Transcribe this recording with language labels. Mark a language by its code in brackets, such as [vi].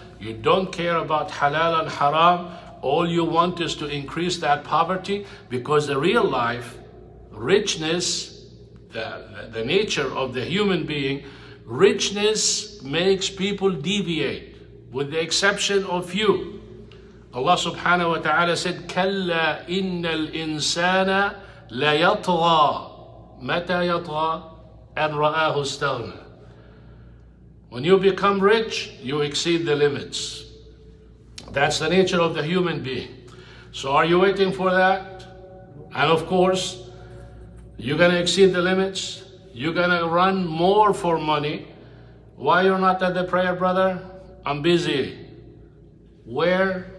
[en] You don't care about halal and haram. All you want is to increase that poverty, because the real life, richness, the nature of the human being, richness makes people deviate, with the exception of few. Allah subhanahu wa ta'ala said, [ar] كَلَّا إِنَّ الْإِنسَانَ لَيَطْغَى مَتَى يَطْغَى أَنْ رَآهُ اسْتَغْنَى. [en] When you become rich, you exceed the limits. That's the nature of the human being. So are you waiting for that? And of course, you're going to exceed the limits. You're going to run more for money. Why you're not at the prayer, brother? I'm busy. Where?